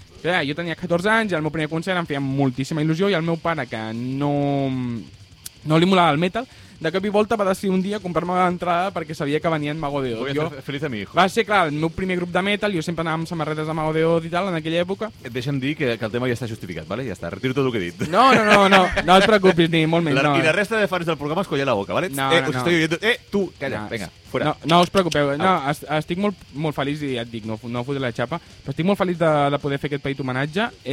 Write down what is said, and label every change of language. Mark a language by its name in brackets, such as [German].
[Catalan] Clar, jo tenia 14 anys i el meu primer concert em feia moltíssima il·lusió i el meu pare, que no li molava el metal, de cop i volta va decidir un dia comprar-me l'entrada perquè sabia que venia en Mago de Oz. [Spanish] Voy a ser feliz a mi hijo. [Catalan] Va ser, clar, el meu primer grup de metal, jo sempre anava amb samarretes de Mago de Oz i tal, en aquella època. Deixa'm dir que el tema ja està justificat, ¿vale? Ja està, retiro tot el que he dit. No et preocupis ni molt menys. I la resta de fans del programa es colla la boca, ¿vale? Tu, calla, venga. No us preocupeu, no, estic molt, molt feliç, i ja et dic, no fotre la xapa, però estic molt feliç de poder fer aquest petit homenatge.